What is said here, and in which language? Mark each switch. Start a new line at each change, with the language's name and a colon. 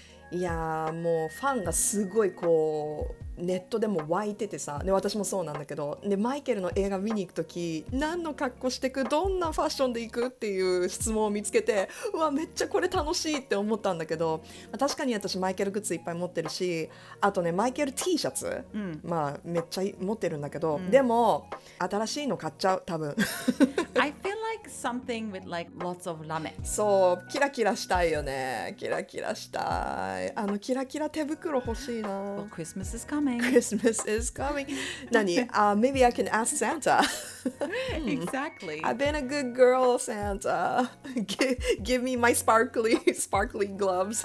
Japanese: いや、もうファンがすごいこうネットでも湧いててさ、で私もそうなんだけど、でマイケルの映画見に行くとき、何の格好してく、どんなファッションで行くっていう質問を見つけて、うわめっちゃこれ楽しいって思ったんだけど、まあ、確かに私マイケルグッズいっぱい持ってるし、あとねマイケル T シャツ、うん、まあめっちゃ持ってるんだけど、うん、でも新しいの買っちゃう多分。
English: I feel like something with like lots of lame.
Japanese: そうキラキラしたいよね、キラキラしたい、あのキラキラ手袋欲しいな。
English: Well, Christmas is coming. Christmas is coming.
Japanese: 何、
English: maybe I can ask Santa. Exactly. I've been a good girl, Santa. Give me my sparkly gloves.